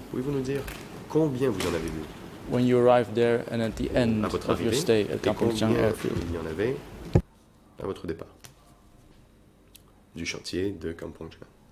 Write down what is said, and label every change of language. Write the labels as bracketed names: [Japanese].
[French] Pouvez-vous nous dire combien vous en avez vu? [English] When you arrived there and at the end of your stay at Kampong Chiang Airfield. [French] Il y en avait à votre départ du chantier de Kampong Chiang.